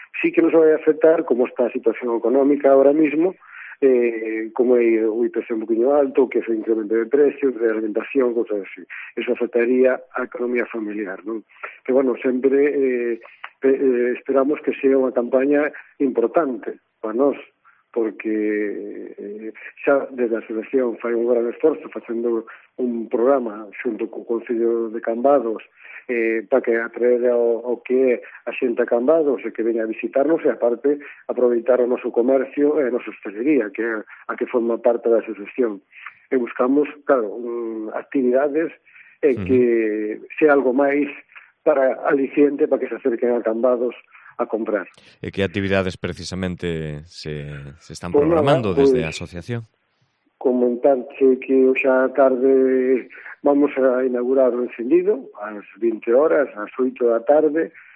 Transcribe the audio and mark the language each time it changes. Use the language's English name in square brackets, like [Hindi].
[Galician] Sí que nos vai afectar, como está a situación económica ahora mismo, como é o IPC un poquinho alto, que é o incremento de precios, de alimentación, cosas así. Eso afectaría a economía familiar, non? Que, bueno, sempre esperamos que sea unha campaña importante para nós, porque xa desde a asociación fai un gran esforzo facendo un programa xunto co Concello de Cambados para que atraer o que é a xente a Cambados e que veña a visitarnos e, aparte, aproveitar o noso comercio e a nosa hostelería, que é a que forma parte da asociación. E buscamos, claro, actividades que sea algo máis para aliciente para que se acerquen a Cambados a comprar. [Spanish] ¿Y qué actividades precisamente se están programando desde a asociación? [Galician] Comentarte que xa tarde vamos a inaugurar o encendido ás 20 horas, ás 8 da tarde.